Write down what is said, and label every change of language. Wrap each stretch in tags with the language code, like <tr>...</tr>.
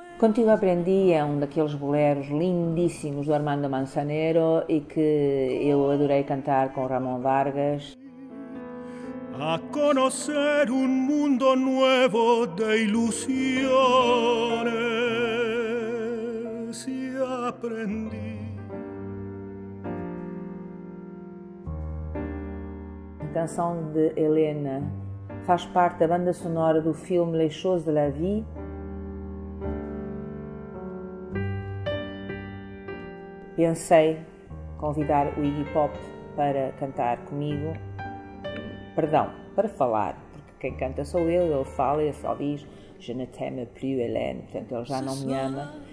<pt>Contigo Aprendi é um daqueles boleros lindíssimos do Armando Manzanero e que eu adorei cantar com Ramón Vargas.</pt> <es>A conocer un mundo nuevo de ilusiones y aprendí.</es> <pt>A canção de Helena faz parte da banda sonora do filme Les Choses de la Vie. Pensei convidar o Iggy Pop para cantar comigo, perdão, para falar, porque quem canta sou eu, ele fala e só diz</pt> <fr>Je ne t'aime plus Hélène,</fr> <pt>portanto ele já não me ama.</pt>